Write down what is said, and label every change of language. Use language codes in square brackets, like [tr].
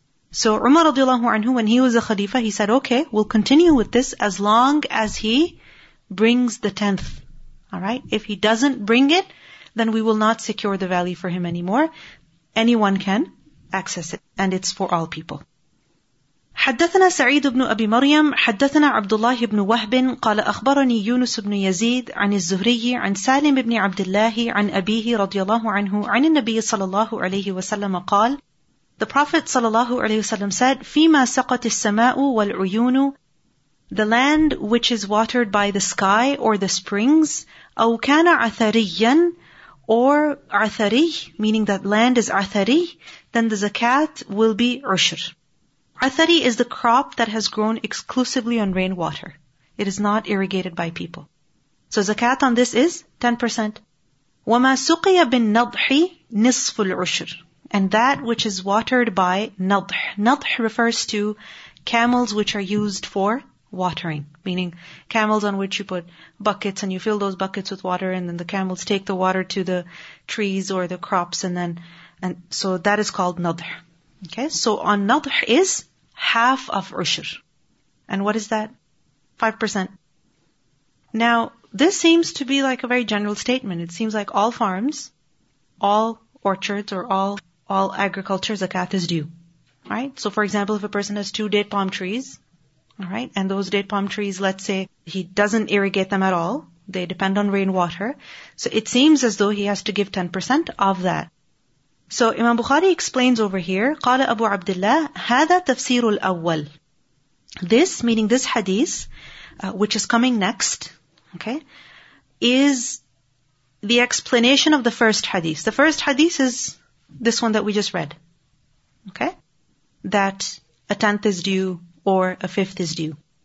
[en] So Umar radiallahu anhu, when he was a khalifa, he said, okay, we'll continue with this as long as he brings the tenth, all right. If he doesn't bring it, then we will not secure the valley for him anymore. Anyone can access it, and it's for all people. [ar] حدثنا سعيد بن أبي مريم حدثنا عبد الله بن وهب قال أخبرني يونس بن يزيد عن الزهري عن سالم بن عبد الله عن أبيه رضي الله عنه عن النبي صلى الله عليه وسلم قال [en] The Prophet [ar] صلى الله عليه وسلم [en] said [ar] فيما سقط السماء والعيون [en] The land which is watered by the sky or the springs [ar] أو كان عثريا [en] or [ar] عثري [en] meaning that land is [ar] عثري [en] then the zakat will be [ar] عشر. [en] Athari is the crop that has grown exclusively on rainwater. It is not irrigated by people. So zakat on this is 10%. [ar] وَمَا سُقِيَ بِالنَّضْحِ نِصْفُ الْعُشْرِ [en] And that which is watered by نَضْح. نَضْح refers to camels which are used for watering. Meaning camels on which you put buckets and you fill those buckets with water and then the camels take the water to the trees or the crops and so that is called نَضْح. Okay, so on nadh is half of ushur. And what is that? 5%. Now, this seems to be like a very general statement. It seems like all farms, all orchards, or all agriculture zakat is due. Right? So for example, if a person has two date palm trees, all right, and those date palm trees, let's say he doesn't irrigate them at all, they depend on rainwater. So it seems as though he has to give 10% of that. So Imam Bukhari explains over here, [ar] قال أبو عبد الله هذا تفسير الأول. [en] This, meaning this hadith, which is coming next, okay, is the explanation of the first hadith. The first hadith is this one that we just read. Okay? That a tenth is due or a fifth is due.